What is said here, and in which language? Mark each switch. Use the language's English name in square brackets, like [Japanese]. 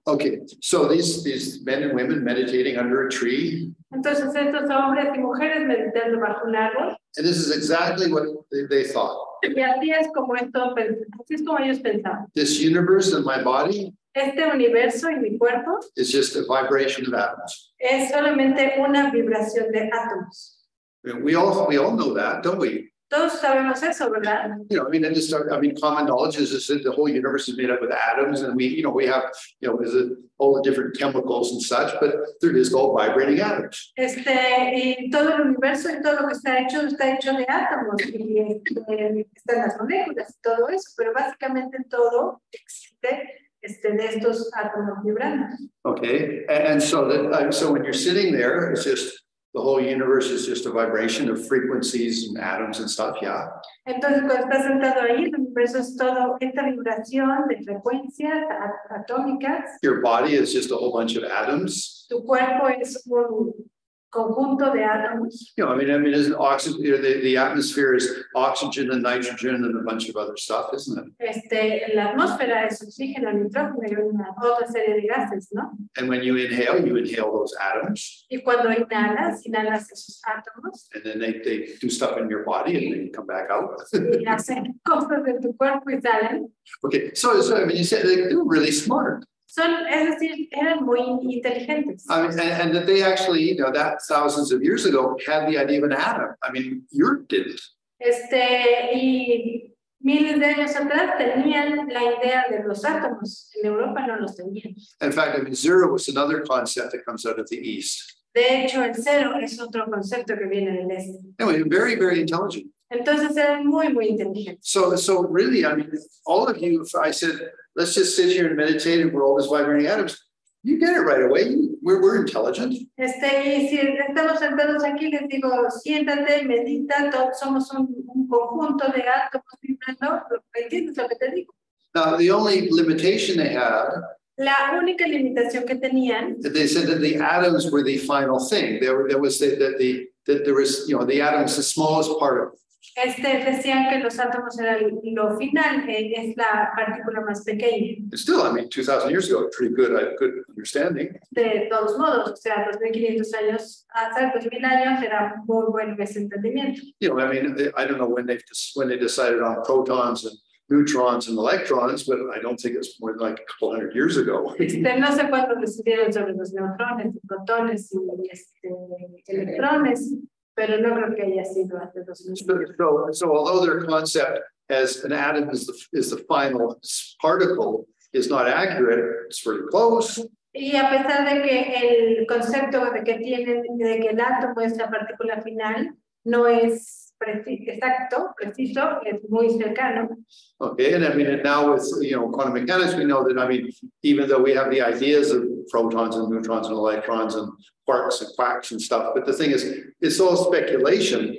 [English] Okay, so these men and women meditating under a tree. [Spanish] Entonces, estos hombres y mujeres meditando bajo un árbol. [English] And this is exactly what they thought. [Spanish] Y así es como esto, así es como ellos pensaban. [English] This universe and my body. [Spanish] Este universo y mi cuerpo. [English] Is just a vibration of atoms. [Spanish] Es solamente una vibración de átomos. [English] We all know that, don't we? [Spanish] Todos sabemos eso, ¿verdad? [English] Common knowledge is that the whole universe is made up of atoms, and we have all the different chemicals and such, but they're just all vibrating atoms. [Spanish] Y todo el universo y todo lo que está hecho de átomos, y están las moléculas, todo eso, pero básicamente todo existe de estos átomos vibrando. [English] Okay, and so that, so when you're sitting there, it's just the whole universe is just a vibration of frequencies and atoms and stuff, yeah. [Spanish] Entonces, cuando estás sentado ahí, el universo es todo esta vibración de frecuencias atómicas. [English] Your body is just a whole bunch of atoms. [Spanish] Tu cuerpo es un conjunto de átomos. [English] Isn't oxygen, the atmosphere is oxygen and nitrogen and a bunch of other stuff, isn't it? [Spanish] La atmósfera es oxígeno, nitrógeno y una otra serie de gases, ¿no? [English] And when you inhale those atoms. [Spanish] Y cuando inhalas esos átomos. [English] And then they do stuff in your body and then come back out. [Spanish] Y hacen cosas en tu cuerpo y salen. [English] Okay, so you said they were really smart. [Spanish] Es decir, eran muy inteligentes. [English] And that they actually, that thousands of years ago had the idea of an atom. Europe didn't. [Spanish] Y miles de años atrás tenían la idea de los átomos. En Europa no los tenían. [English] In fact, zero was another concept that comes out of the East. [Spanish] De hecho, el cero es otro concepto que viene del Este. [English] Anyway, very, very intelligent. [Spanish] Entonces eran muy, muy inteligentes. [English] So really, all of you, if I said, let's just sit here and meditate and we're all these vibrating atoms. You get it right away. We're intelligent. [Spanish] Si estamos sentados aquí, les digo, siéntate, medita, todos somos un conjunto de átomos vibrando. ¿Entiendes lo que te digo? [English] Now, the only limitation they had. [Spanish] La única limitación que tenían. [English] They said that the atoms were the final thing. The atoms, the smallest part of it. [Spanish] Decían que los átomos eran lo final, es la partícula más pequeña. [English] Still, 2,000 years ago, pretty good, I have good understanding. [Spanish] De todos modos, 2,500 años, hasta 2,000 años, era muy buen entendimiento. [English] I don't know when they decided on protons and neutrons and electrons, but I don't think it's more than a couple hundred years ago. [Spanish] No sé cuándo decidieron sobre los neutrones, protones y electrones. [English] So although their concept as an atom is the final particle is not accurate, it's pretty close. [Spanish] Y a pesar de que el concepto de que tienen de que el átomo es la partícula final no es preciso, es muy cercano. [English] Okay, and now with quantum mechanics, we know that even though we have the ideas of protons and neutrons and electrons and quarks and quacks and stuff, but the thing is, it's all speculation.